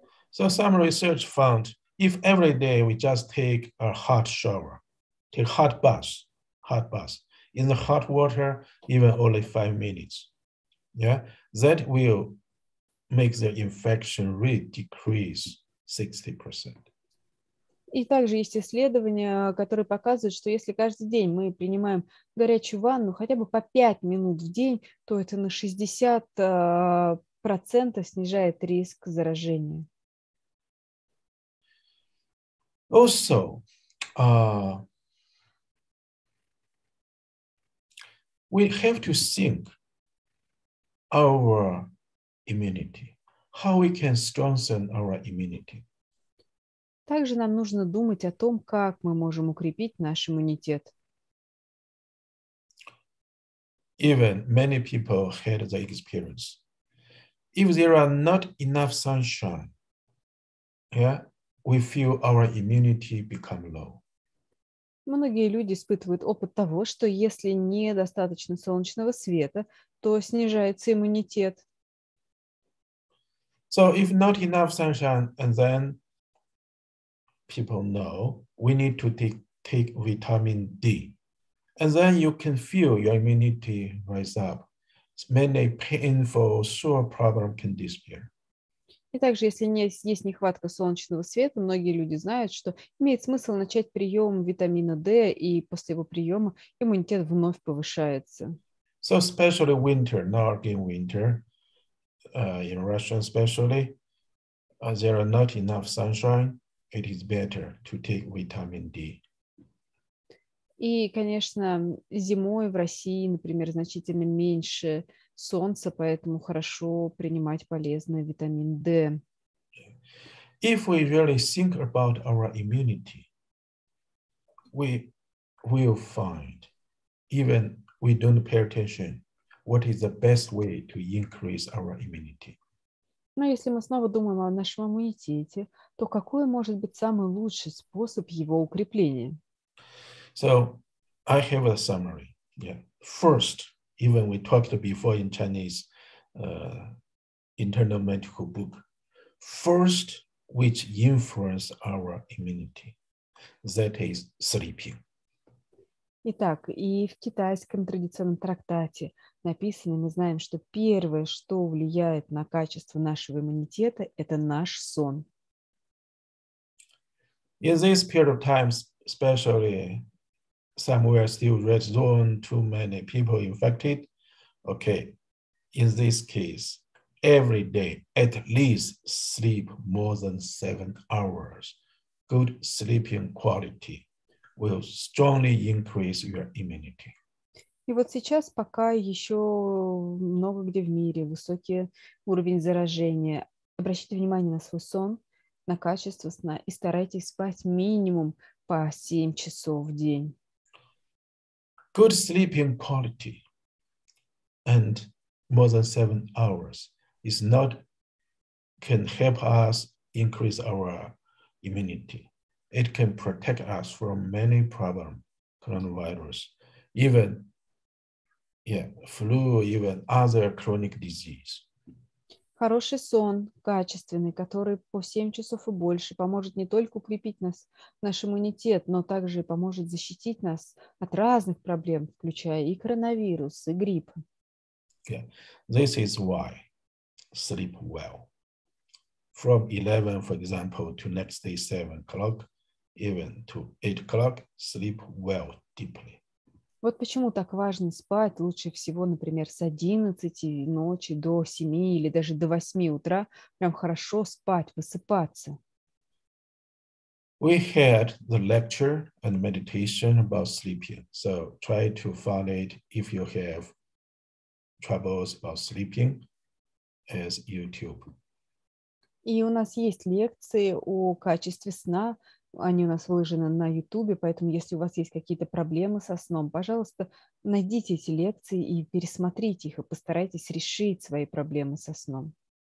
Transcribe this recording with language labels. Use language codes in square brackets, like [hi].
[en] So some research found, if every day we just take a hot shower, take hot bath, in the hot water, even only 5 minutes, yeah, that will make the infection rate decrease 60%. [ru] И также есть исследования, которые показывают, что если каждый день мы принимаем горячую ванну хотя бы по 5 минут в день, то это на 60% снижает риск заражения. [en] Also, we have to think our immunity, how we can strengthen our immunity. [ru] Также нам нужно думать о том, как мы можем укрепить наш иммунитет. [en] Even many people had the experience. If there are not enough sunshine, yeah, we feel our immunity become low. [ru] Многие люди испытывают опыт того, что если недостаточно солнечного света, то снижается иммунитет. [en] So if not enough sunshine, and then people know we need to take vitamin D, and then you can feel your immunity rise up. Many painful sore problem can disappear. [ru] И также, если есть нехватка солнечного света, многие люди знают, что имеет смысл начать прием витамина D, и после его приема иммунитет вновь повышается. [en] So especially winter, Northern winter, in Russia especially, there are not enough sunshine, it is better to take vitamin D. [ru] И, конечно, зимой в России, например, значительно меньше солнца, поэтому хорошо принимать полезный витамин D. [en] If we really think about our immunity, we will find, even we don't pay attention, what is the best way to increase our immunity. [ru] Но если мы снова думаем о нашем иммунитете, то какой может быть самый лучший способ его укрепления? [en] So, I have a summary. Yeah. First, even we talked before in Chinese internal medical book, first, which influence our immunity, that is sleeping. [ru] Итак, и в китайском традиционном трактате написано, мы знаем, что первое, что влияет на качество нашего иммунитета, это наш сон. [en] In this period of time, especially somewhere still red zone, too many people infected, okay, in this case, every day, at least sleep more than 7 hours. Good sleeping quality will strongly increase your immunity. [ru] И вот сейчас пока еще много где в мире высокий уровень заражения. Обращайте внимание на свой сон, на качество сна и старайтесь спать минимум по 7 часов в день. [en] Good sleeping quality and more than 7 hours is not can help us increase our immunity. It can protect us from many problems, coronavirus, even flu, even other chronic disease. [ru] Хороший сон, качественный, который по 7 часов и больше, поможет не только укрепить нас, наш иммунитет, но также поможет защитить нас от разных проблем, включая и коронавирус, и грипп. [en] Okay. This is why sleep well. From 11, for example, to next day 7 o'clock, even to 8 o'clock, sleep well deeply. [ru] Вот почему так важно спать лучше всего, например, с 11 ночи до 7 или даже до 8 утра. Прям хорошо спать, высыпаться. [en] We had the lecture and meditation about sleeping. So try to find it if you have troubles about sleeping as YouTube. [ru] И у нас есть лекции о качестве сна. Они у нас выложены на Ютубе, поэтому если у вас есть какие-то проблемы со сном, пожалуйста, найдите эти лекции и пересмотрите их, и постарайтесь решить свои проблемы со сном.